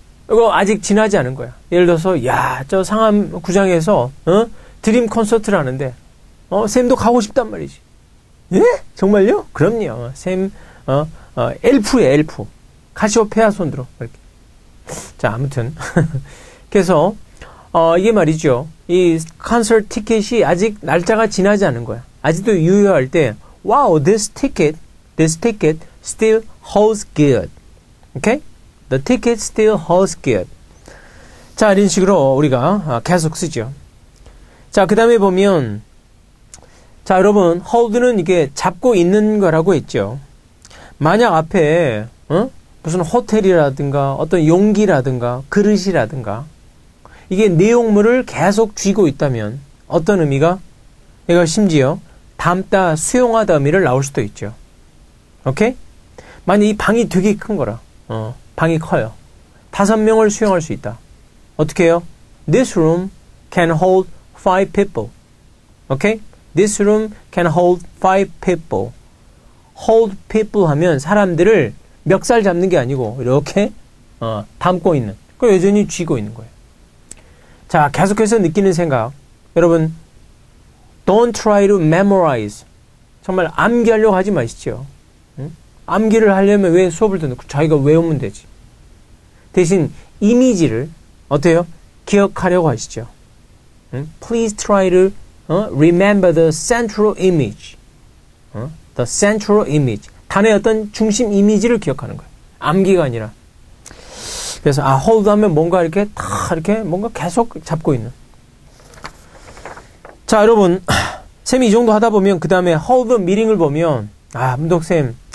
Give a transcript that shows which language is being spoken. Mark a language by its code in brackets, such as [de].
[ko] 이거 아직 지나지 않은 거야. 예를 들어서, 야, 저 상암 구장에서, 드림 콘서트를 하는데, 쌤도 가고 싶단 말이지. 예? 정말요? 그럼요. 쌤, 엘프야, 엘프. 카시오페아 손 들어. 이렇게. 자, 아무튼. 그래서, 이게 말이죠. 이 콘서트 티켓이 아직 날짜가 지나지 않은 거야. 아직도 유효할 때, [en] wow, this ticket still holds good. Okay? The ticket still holds good. [ko] 자, 이런 식으로 우리가 계속 쓰죠. 자, 그 다음에 보면, 자, 여러분, hold는 이게 잡고 있는 거라고 했죠. 만약 앞에, 무슨 호텔이라든가, 어떤 용기라든가, 그릇이라든가, 이게 내용물을 계속 쥐고 있다면, 어떤 의미가? 얘가 심지어 담다, 수용하다 의미를 나올 수도 있죠. 오케이? 만약 이 방이 되게 큰 거라. 방이 커요. 5명을 수용할 수 있다. 어떻게 해요? [en] This room can hold 5 people. [ko] 오케이? [en] This room can hold 5 people. Hold people [ko] 하면 사람들을 멱살 잡는 게 아니고 이렇게 담고 있는. 그걸 여전히 쥐고 있는 거예요. 자, 계속해서 느끼는 생각. [en] 여러분, Don't try to memorize. [ko] 정말 암기하려고 하지 마시죠. 응? 암기를 하려면 왜 수업을 듣는 거? 자기가 외우면 되지. 대신 이미지를 어때요? 기억하려고 하시죠. 응? [en] Please try to remember the central image. [ko] 응? [en] The central image. [ko] 단의 어떤 중심 이미지를 기억하는 거예요. 암기가 아니라. 그래서 아, hold 하면 뭔가 이렇게 다 이렇게 뭔가 계속 잡고 있는. 자, 여러분, 쌤이 이 정도 하다 보면 그 다음에 [en] hold the meeting [ko] 을 보면 아, 문덕쌤